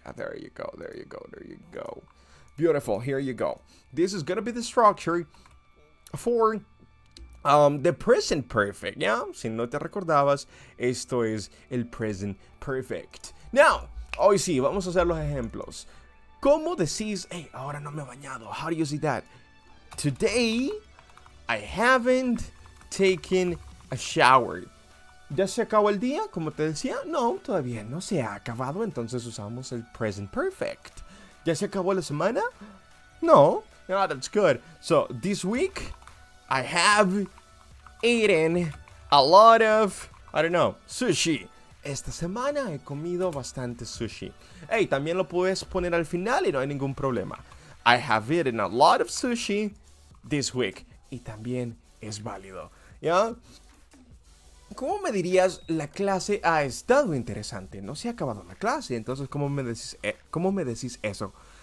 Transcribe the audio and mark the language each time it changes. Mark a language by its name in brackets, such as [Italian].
[English] Yeah, there you go, there you go, there you go. Beautiful, here you go. This is gonna be the structure for the present perfect, yeah? [Spanish] Si no te recordabas, esto es el present perfect. Now, hoy sí, vamos a hacer los ejemplos. ¿Cómo decís, hey, ahora no me he bañado? [English] How do you see that? Today, I haven't taken a shower. [Spanish] ¿Ya se acabó el día, como te decía? No, todavía no se ha acabado, entonces usamos el present perfect. ¿Ya se acabó la semana? No. No, [English] that's good. So, this week, I have eaten a lot of, I don't know, sushi. [Spanish] Esta semana he comido bastante sushi. Hey, también lo puedes poner al final y no hay ningún problema. [English] I have eaten a lot of sushi this week. [Spanish] Y también es válido, ¿ya? ¿Cómo me dirías la clase ha estado interesante? No se ha acabado la clase, entonces ¿cómo me decís eso?